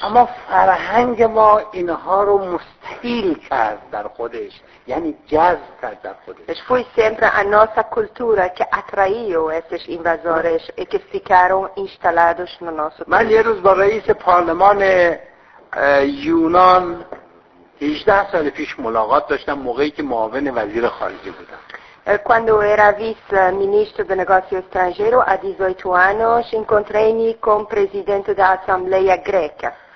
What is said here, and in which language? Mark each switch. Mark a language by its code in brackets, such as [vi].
[fa] اما فرهنگ ما اینها رو مستحیل کرد در خودش. یعنی جذب کرد در خودش. [pt] Foi sempre a nossa cultura que atraiu esses invasores e que ficaram instalados no nosso país. [fa] من یه روز با رئیس پارلمان یونان 18 سال پیش ملاقات داشتم موقعی که معاون وزیر خارجه بودم. [pt] Quando era vice-ministro do negócio estrangeiro, há 18 anos, encontrei-me com o presidente da Assembleia Greca.